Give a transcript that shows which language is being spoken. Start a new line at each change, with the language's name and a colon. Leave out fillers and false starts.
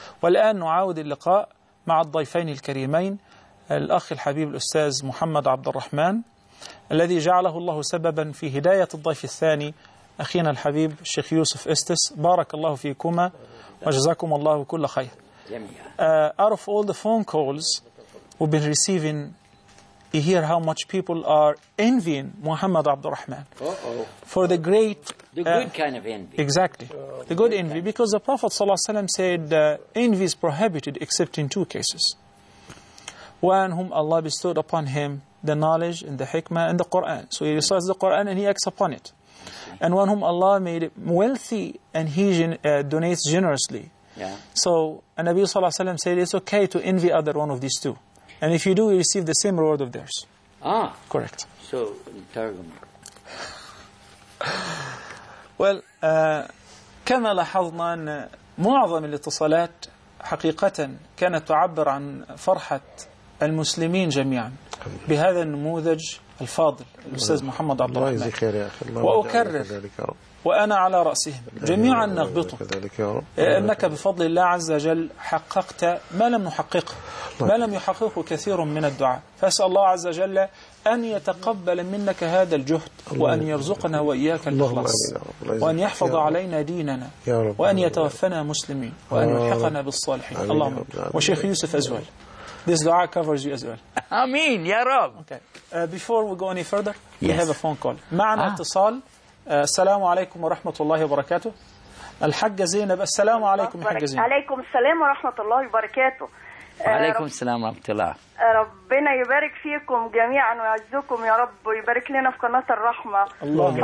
Arabic: والآن نعاود اللقاء مع الضيفين الكريمين، الأخ الحبيب الأستاذ محمد عبد الرحمن الذي جعله الله سببا في هداية الضيف الثاني أخينا الحبيب الشيخ يوسف إستس. بارك الله فيكما وجزاكم الله كل خير.
English: Out of all the phone calls we've been receiving, you hear how much people are envying Muhammad Abdul Rahman for the great... The good kind of envy. Exactly. The good envy. Because the Prophet ﷺ said, envy is prohibited except in two cases. One whom Allah bestowed upon him the knowledge and the hikmah and the Qur'an. So he recites the Qur'an and he acts upon it. And one whom Allah made wealthy and he donates generously. Yeah. So Nabi ﷺ said, it's okay to envy other one of these two. And if you do, you receive the same reward of theirs. Ah. Correct. So, Targum. Well,
Arabic: كما لاحظنا أن معظم الاتصالات حقيقة كانت تعبر عن فرحة المسلمين جميعا بهذا النموذج الفاضل الأستاذ محمد عبد الرحمن. الله يجزيه خير يا أخي. وأكرر وأنا على رأسهم جميعا نغبطهم، أنك بفضل الله عز وجل حققت ما لم نحققه، ما لم يحققه كثير من الدعاء. فأسأل الله عز وجل أن يتقبل منك هذا الجهد وأن يرزقنا وإياك الإخلاص وأن يحفظ علينا ديننا وأن يتوفنا مسلمين وأن يلحقنا بالصالحين. اللهم وشيخ يوسف أزول،
English: this dua covers you as well.
Arabic: Ameen, Ya Rab.
English: Okay. Before we go any further, we have a phone call.
Arabic: معنا اتصال. السلام عليكم ورحمة الله وبركاته. الحجة زينب. السلام عليكم يا حجة زينب. عليكم السلام ورحمة الله وبركاته. عليكم السلام ورحمة الله. ربنا يبارك فيكم جميعا ويعزكم يا رب، ويبارك لنا في قناة الرحمة. اللهم